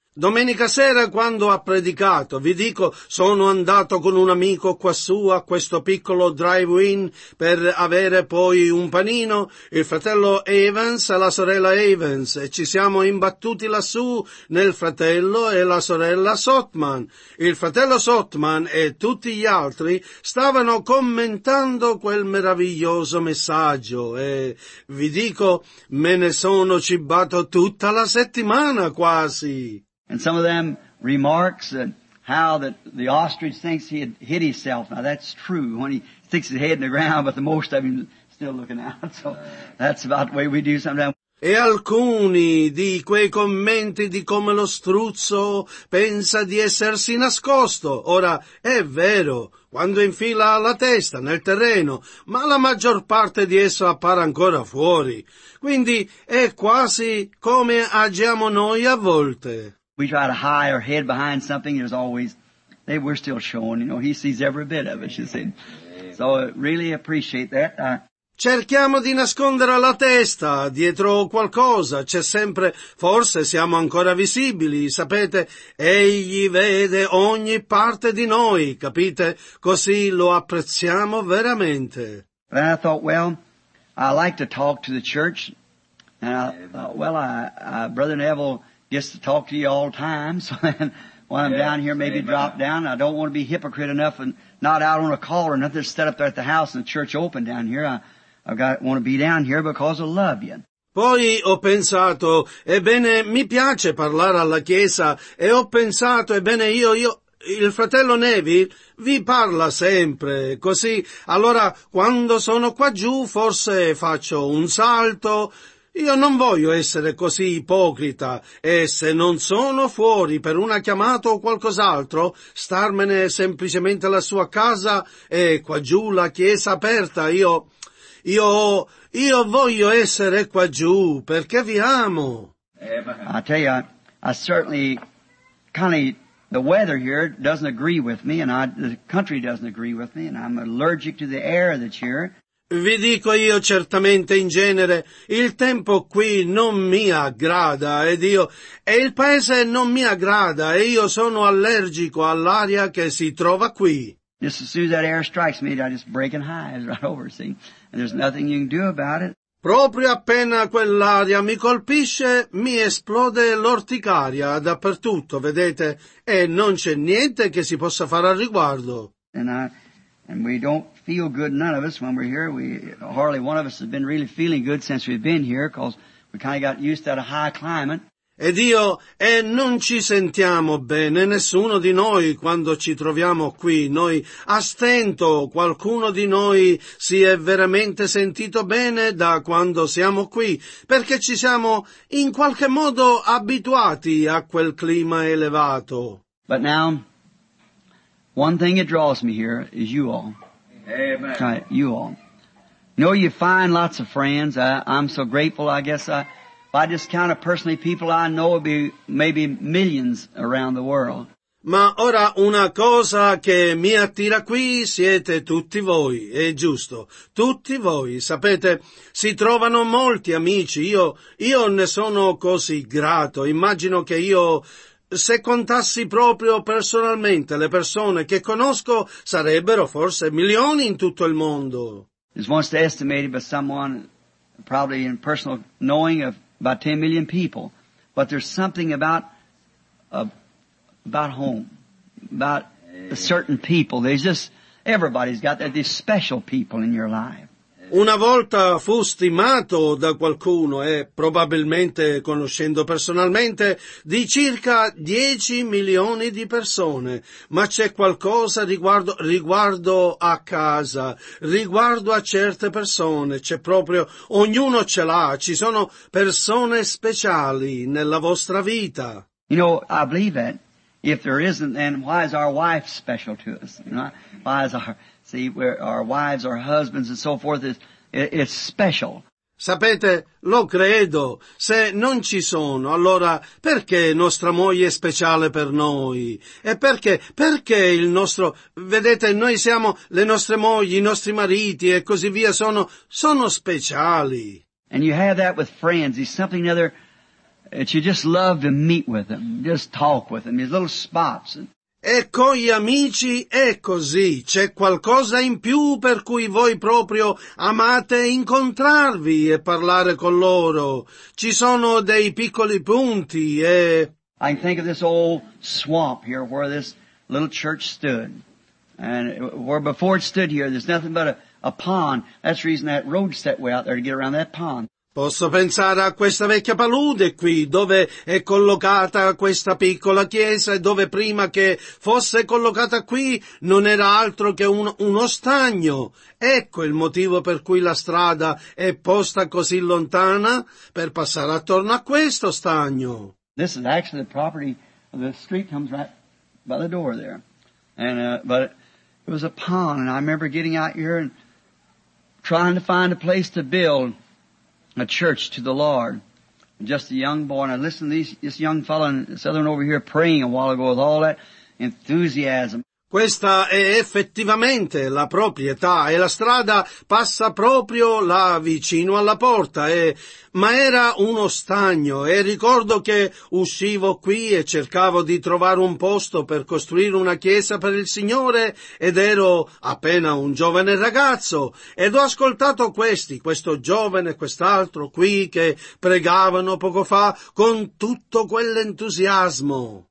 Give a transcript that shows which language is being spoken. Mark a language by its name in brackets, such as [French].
[Italian] Domenica sera quando ha predicato, vi dico, sono andato con un amico quassù a questo piccolo drive-in per avere poi un panino, il fratello Evans e la sorella Evans, e ci siamo imbattuti lassù nel fratello e la sorella Sotman. Il fratello Sotman e tutti gli altri stavano commentando quel meraviglioso messaggio e vi dico, me ne sono cibato tutta la settimana quasi. [English] And some of them remarks that how that the ostrich thinks he had hit himself. Now that's true when he sticks his head in the ground, but the most of him is still looking out. So that's about the way we do sometimes. [Italian] E alcuni di quei commenti di come lo struzzo pensa di essersi nascosto. Ora, è vero, quando infila la testa nel terreno, ma la maggior parte di esso appare ancora fuori. Quindi è quasi come agiamo noi a volte. [English] We try to hide our head behind something, there's always, we're still showing, you know, he sees every bit of us, you see. So, really appreciate that. [Italian] Cerchiamo di nascondere la testa dietro qualcosa, c'è sempre, forse siamo ancora visibili, sapete, egli vede ogni parte di noi, capite? Così lo apprezziamo veramente. [English] And I thought, well, I like to talk to the church, and I thought, well, Brother Neville, just to talk to you all times while I'm down here, maybe drop down. I don't want to be hypocrite enough and not out on a call or nothing. Just set up there at the house and the church open down here. I want to be down here because I love you. [Italian] Poi ho pensato, ebbene, mi piace parlare alla chiesa e ho pensato, ebbene, io. Il fratello Neville vi parla sempre, così. Allora, quando sono qua giù, forse faccio un salto. Io non voglio essere così ipocrita e se non sono fuori per una chiamata o qualcos'altro, starmene semplicemente alla sua casa e qua giù la chiesa aperta. Io voglio essere qua giù perché vi amo. [English] I tell you, I certainly, kind of, the weather here doesn't agree with me and the country doesn't agree with me and I'm allergic to the air that's here. [Italian] Vi dico io certamente in genere, il tempo qui non mi aggrada e il paese non mi aggrada e io sono allergico all'aria che si trova qui. [English] Just as soon as that air strikes me, I just break in hives right over, see? And there's nothing you can do about it. [Italian] Proprio appena quell'aria mi colpisce, mi esplode l'orticaria dappertutto, vedete? E non c'è niente che si possa fare al riguardo. [English] And we don't feel good, none of us, when we're here. Hardly one of us has been really feeling good since we've been here, because we kind of got used to that high climate. [Italian] Ed io, e non ci sentiamo bene, nessuno di noi, quando ci troviamo qui. Noi, a stento, qualcuno di noi si è veramente sentito bene da quando siamo qui, perché ci siamo, in qualche modo, abituati a quel clima elevato. [English] But now, One thing that draws me here is you all. Amen. Right, you all. You know, you find lots of friends. I'm so grateful, I guess. If I just count personally people I know, it'd be maybe millions around the world. [Italian] Ma ora una cosa che mi attira qui siete tutti voi, è giusto, tutti voi, sapete, si trovano molti amici, io ne sono così grato, immagino che io, se contassi proprio personalmente le persone che conosco, sarebbero forse milioni in tutto il mondo. [English] It's most estimated by someone, probably in personal knowing, of about 10 million people, but there's something about home, about a certain people. There's just, everybody's got that, these special people in your life. [Italian] Una volta fu stimato da qualcuno, probabilmente conoscendo personalmente, di circa 10 milioni di persone. Ma c'è qualcosa riguardo a casa, riguardo a certe persone. C'è proprio, ognuno ce l'ha. Ci sono persone speciali nella vostra vita. [English] You know, I believe that. If there isn't, then why is our wife special to us? Why is our wives, our husbands, and so forth, it's special. [Italian] Sapete, lo credo. Se non ci sono, allora perché nostra moglie è speciale per noi? E perché? Perché il nostro... Vedete, noi siamo le nostre mogli, i nostri mariti, e così via, sono speciali. [English] And you have that with friends. It's something other... That you just love to meet with them, just talk with them, these little spots. [Italian] E con gli amici è così. C'è qualcosa in più per cui voi proprio amate incontrarvi e parlare con loro. Ci sono dei piccoli punti e... [English] I think of this old swamp here where this little church stood. And where before it stood here, there's nothing but a pond. That's the reason that road's that way out there to get around that pond. [Italian] Posso pensare a questa vecchia palude qui, dove è collocata questa piccola chiesa e dove prima che fosse collocata qui non era altro che uno stagno. Ecco il motivo per cui la strada è posta così lontana, per passare attorno a questo stagno. [English] This is actually the property, the street comes right by the door there. And, but it was a pond, and I remember getting out here and trying to find a place to build a church to the Lord. Just a young boy. And I listened to this young fellow in Southern over here praying a while ago with all that enthusiasm. [Italian] Questa è effettivamente la proprietà e la strada passa proprio là vicino alla porta. Ma era uno stagno e ricordo che uscivo qui e cercavo di trovare un posto per costruire una chiesa per il Signore ed ero appena un giovane ragazzo ed ho ascoltato questo giovane e quest'altro qui che pregavano poco fa con tutto quell'entusiasmo.